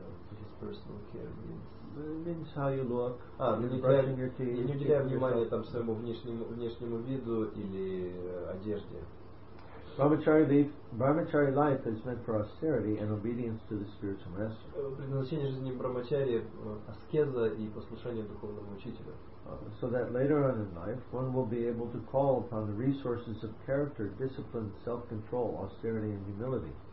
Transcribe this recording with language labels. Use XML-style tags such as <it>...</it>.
<en>His personal care means how you look. Brushing your teeth.</en> <ru>Не уделяя внимания там своему внешнему виду или одежде.</ru> <en>Brahmachari life is meant for austerity and obedience to the spiritual master.</en> <ru>Предназначение жизни брахмачари аскеза и послушание духовному учителю.</ru> <en>So that later on in life one will be able to call upon the resources of character, discipline, self-control, austerity and humility.</en>